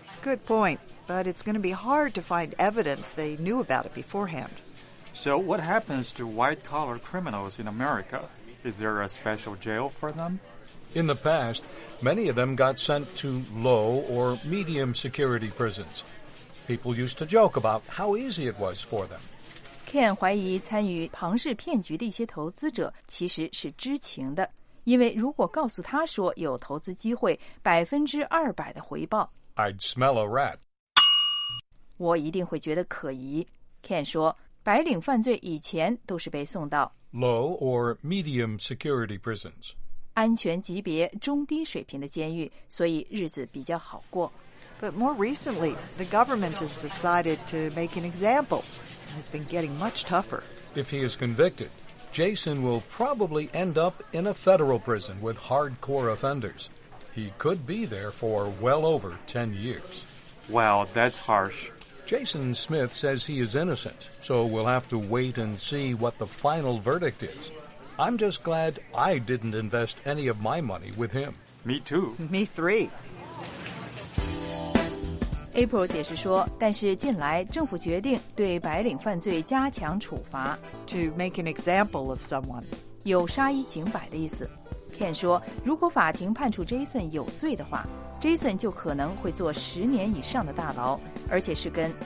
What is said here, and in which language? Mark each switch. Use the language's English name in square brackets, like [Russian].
[English] Good point, but it's going to be hard to find evidence they knew about it beforehand. So what happens to white-collar criminals in America? Is there a special jail for them? In the past, many of them got sent to low or medium security prisons. People used to joke about how easy it was for them. [Chinese] Ken 怀疑参与庞氏骗局的一些投资者其实是知情的，因为如果告诉他说有投资机会，200%的回报， [English] I'd smell a rat. [Chinese] 我一定会觉得可疑。 Ken 说白领犯罪以前都是被送到 [English] low or medium security prisons， [Chinese] 安全级别中低水平的监狱，所以日子比较好过。 [English] But more recently, the government has decided to make an example and has been getting much tougher. If he is convicted, Jason will probably end up in a federal prison with hardcore offenders. He could be there for well over 10 years. Wow, that's harsh. Jason Smith says he is innocent, so we'll have to wait and see what the final verdict is. I'm just glad I didn't invest any of my money with him. Me too. Me three. [Chinese] April 解释说，但是近来政府决定对白领犯罪加强处罚。 [English] To make an example of someone. [Chinese] 有杀一儆百的意思。Ken 说，如果法庭判处 Jason 有罪的话， Jason 就可能会坐十年以上的大牢，而且是跟